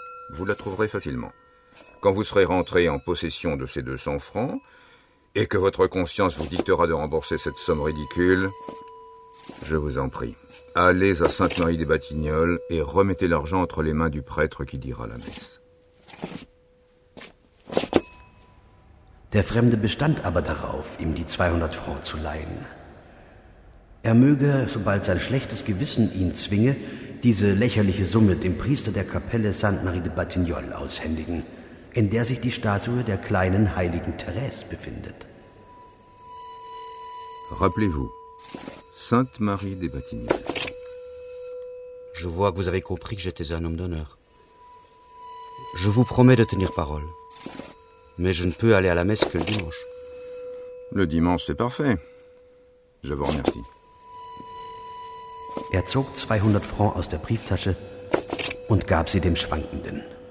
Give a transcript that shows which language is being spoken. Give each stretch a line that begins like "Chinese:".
French: Vous la trouverez facilement. Quand vous serez rentré en possession de ces 200 francs, et que votre conscience vous dictera de rembourser cette somme ridicule, je vous en prie, allez à Sainte-Marie des Batignolles et remettez l'argent entre les mains du prêtre qui dira la messe.
German: Der Fremde bestand aber darauf, ihm die 200 Francs zu leihen. Er möge, sobald sein schlechtes Gewissen ihn zwinge, diese lächerliche Summe dem Priester der Kapelle Sainte-Marie de Batignolles aushändigen, in der sich die Statue der kleinen heiligen Thérèse befindet.
French: Rappelez-vous, Sainte-Marie de Batignolles. Je vois que vous avez compris que j'étais un homme d'honneur. Je vous promets de tenir parole. Mais je ne peux aller à la messe que le dimanche. Le dimanche, c'est parfait. Je vous remercie.
German: Er zog 200 francs aus der Brieftasche und gab sie dem Schwankenden.